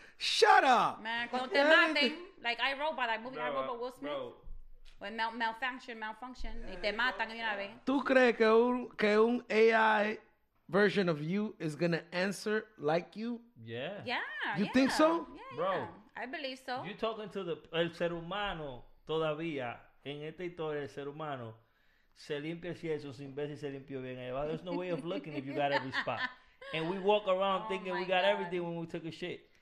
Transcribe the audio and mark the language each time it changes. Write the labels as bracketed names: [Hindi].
[English] Shut up. Man, [Spanish] cuando te maten, [English] like iRobot, that movie iRobot Will Smith. Bro. [Spanish] Malfunction, y te matan una vez. ¿Tú crees que un [English] AI version of you is going to answer like you? Yeah. You think so? Yeah, bro. I believe so. You're talking to [Spanish] el ser humano todavía, en esta historia, el ser humano, se limpia si eso, sin ver si se limpió bien. [English] There's no way of looking if you got every spot. And we walk around thinking we got everything when we took a shit.